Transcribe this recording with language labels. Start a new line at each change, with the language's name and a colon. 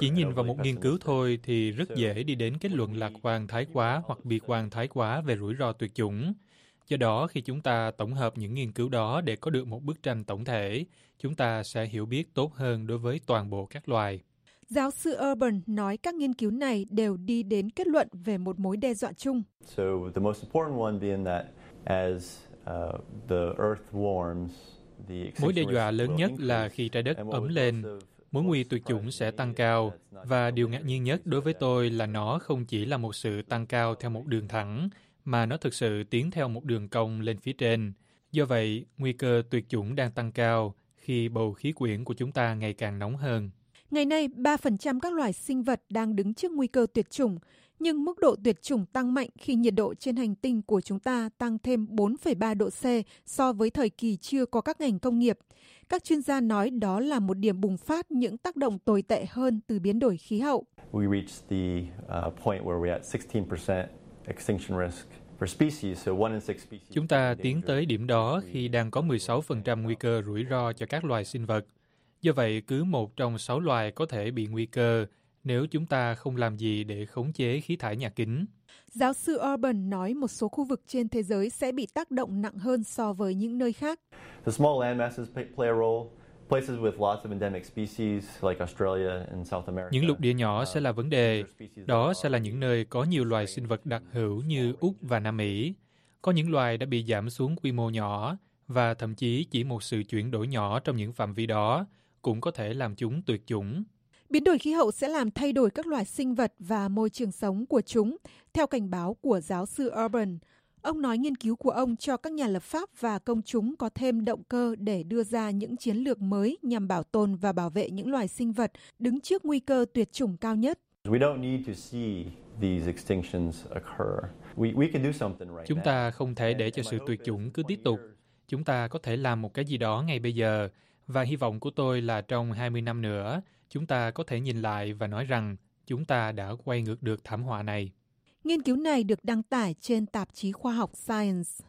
Vietnamese: chỉ nhìn vào một nghiên cứu thôi thì rất dễ đi đến kết luận lạc quan thái quá hoặc bi quan thái quá về rủi ro tuyệt chủng. Do đó, khi chúng ta tổng hợp những nghiên cứu đó để có được một bức tranh tổng thể, chúng ta sẽ hiểu biết tốt hơn đối với toàn bộ các loài. Giáo sư Urban nói các nghiên cứu này đều đi đến kết luận về một mối đe dọa chung.
English: So the most important one being that as the earth warms, the
Vietnamese: mối đe dọa lớn nhất là khi trái đất ấm lên, mối nguy tuyệt chủng sẽ tăng cao, và điều ngạc nhiên nhất đối với tôi là nó không chỉ là một sự tăng cao theo một đường thẳng, mà nó thực sự tiến theo một đường cong lên phía trên. Do vậy, nguy cơ tuyệt chủng đang tăng cao khi bầu khí quyển của chúng ta ngày càng nóng hơn. Ngày nay, 3% các loài sinh vật đang đứng trước nguy cơ tuyệt chủng, nhưng mức độ tuyệt chủng tăng mạnh khi nhiệt độ trên hành tinh của chúng ta tăng thêm 4,3 độ C so với thời kỳ chưa có các ngành công nghiệp. Các chuyên gia nói đó là một điểm bùng phát những tác động tồi tệ hơn từ biến đổi khí hậu.
English: We reached the point where we're at 16% extinction risk.
Vietnamese: Chúng ta tiến tới điểm đó khi đang có 16% nguy cơ rủi ro cho các loài sinh vật. Do vậy, cứ một trong 6 loài có thể bị nguy cơ nếu chúng ta không làm gì để khống chế khí thải nhà kính. Giáo sư Urban nói một số khu vực trên thế giới sẽ bị tác động nặng hơn so với những nơi khác.
English: The small land masses play a role. Places with lots of endemic species like Australia and South America.
Vietnamese: Những lục địa nhỏ sẽ là vấn đề. Đó sẽ là những nơi có nhiều loài sinh vật đặc hữu như Úc và Nam Mỹ. có những loài đã bị giảm xuống quy mô nhỏ, và thậm chí chỉ một sự chuyển đổi nhỏ trong những phạm vi đó cũng có thể làm chúng tuyệt chủng. Biến đổi khí hậu sẽ làm thay đổi các loài sinh vật và môi trường sống của chúng, theo cảnh báo của giáo sư Urban. Ông nói nghiên cứu của ông cho các nhà lập pháp và công chúng có thêm động cơ để đưa ra những chiến lược mới nhằm bảo tồn và bảo vệ những loài sinh vật đứng trước nguy cơ tuyệt chủng cao nhất.
English: We don't need to see these extinctions occur. We can do something right.
Vietnamese: Chúng ta không thể để cho sự tuyệt chủng cứ tiếp tục. Chúng ta có thể làm một cái gì đó ngay bây giờ. Và hy vọng của tôi là trong 20 năm nữa, chúng ta có thể nhìn lại và nói rằng chúng ta đã quay ngược được thảm họa này. Nghiên cứu này được đăng tải trên tạp chí khoa học Science.